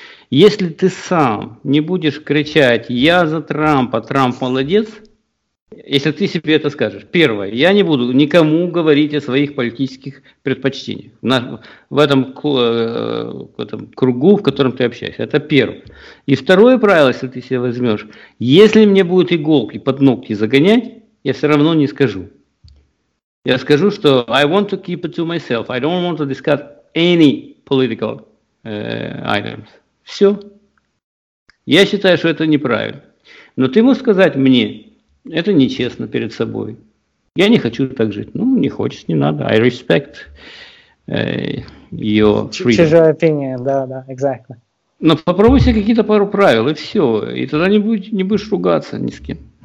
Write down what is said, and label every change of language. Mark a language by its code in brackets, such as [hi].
[ru] Если ты сам не будешь кричать «я за Трампа, Трамп молодец», если ты себе это скажешь, первое, я не буду никому говорить о своих политических предпочтениях в этом кругу, в котором ты общаешься, это первое. И второе правило, если ты себе возьмешь, если мне будут иголки под ногти загонять, я все равно не скажу. Я скажу, что [en] I want to keep it to myself. I don't want to discuss any political items. [ru] Все. Я считаю, что это неправильно. Но ты можешь сказать мне, это нечестно перед собой. Я не хочу так жить. Ну, не хочешь, не надо. [en] I respect your freedom. [ru] Чужое мнение, да, exactly. Но попробуй себе какие-то пару правил, и все. И тогда не будешь ругаться ни с кем.